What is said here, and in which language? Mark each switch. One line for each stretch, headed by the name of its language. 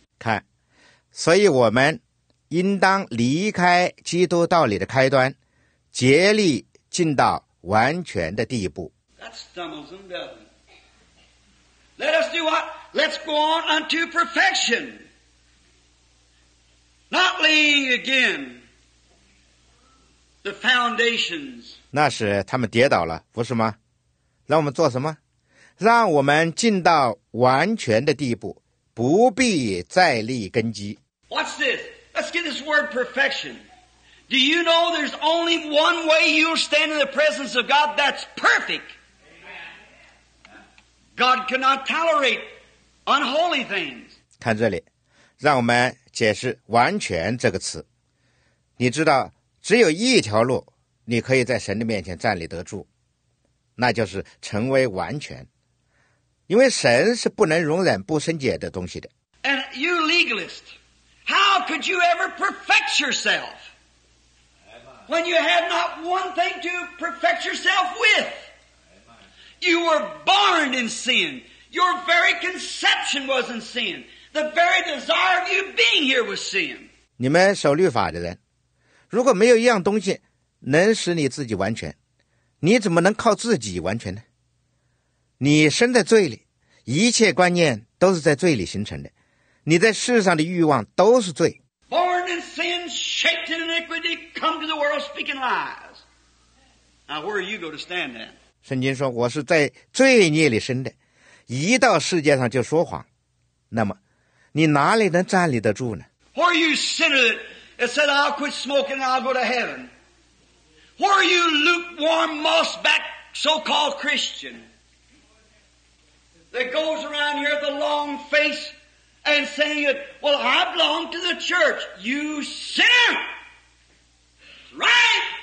Chinese: 看，所以我们应当离开基督道理的开端，竭力进到完全的地步。
English: That stumbles and doesn't. Let us do what? Let's go on unto perfection. Not laying again the foundations.
Chinese: 那是他们跌倒了，不是吗？让我们做什么？让我们进到完全的地步，不必再立根基。
English: What's this? Let's get this word perfection. Do you know there's only one way you'll stand in the presence of God that's perfect? God cannot tolerate unholy things.
Chinese: 看这里，让我们解释完全这个词。你知道，只有一条路你可以在神的面前站立得住，那就是成为完全。因为神是不能容忍不圣洁的东西的。
English: And you legalist,How could you ever perfect yourself when you had not one thing to perfect yourself with? You were born in sin. Your very conception was in sin. The very desire of you being here was sin.
Chinese: 你们守律法的人，如果没有一样东西能使你自己完全，你怎么能靠自己完全呢？你生在罪里，一切观念都是在罪里形成的。你在世上的欲望都是罪。
English: Born in sin, shaped in iniquity, come to the world speaking lies. Now, where are you going to stand then?
Chinese: 圣经说，我是在罪孽里生的，一到世界上就说谎。那么，你哪里能站立得住呢？
English: Where are you sinner that said, I'll quit smoking and I'll go to heaven? Where are you lukewarm, moss-backed, so-called Christian that goes around here with a long face? And saying it, well, I belong to the church. You sinner! Right?